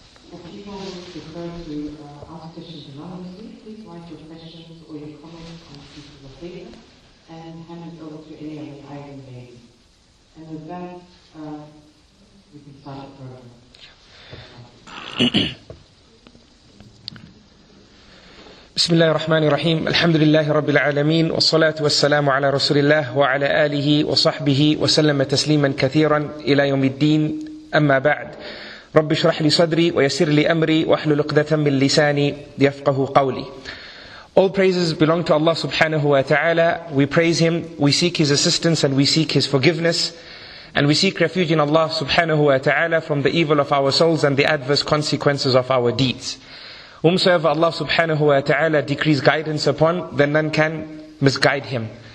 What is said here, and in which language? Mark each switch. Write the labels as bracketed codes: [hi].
[en] For people who prefer to ask questions anonymously, please write your questions or your comments on pieces of paper and hand it over to any of the item names. And with that, we can start the program. [ar] بسم الله الرحمن الرحيم الحمد لله رب العالمين والصلاة والسلام على رسول الله وعلى آله وصحبه وسلم تسليما كثيرا إلى يوم الدين أما بعد رب اشرح لي صدري ويسر لي أمري واحلل عقدة من لساني يفقه قولي. [en] All praises belong to Allah subhanahu wa ta'ala. We praise Him, we seek His assistance and we seek His forgiveness, and we seek refuge in Allah subhanahu wa ta'ala from the evil of our souls and the adverse consequences of our deeds. Whomsoever Allah subhanahu wa ta'ala decrees guidance upon, then none can misguide him.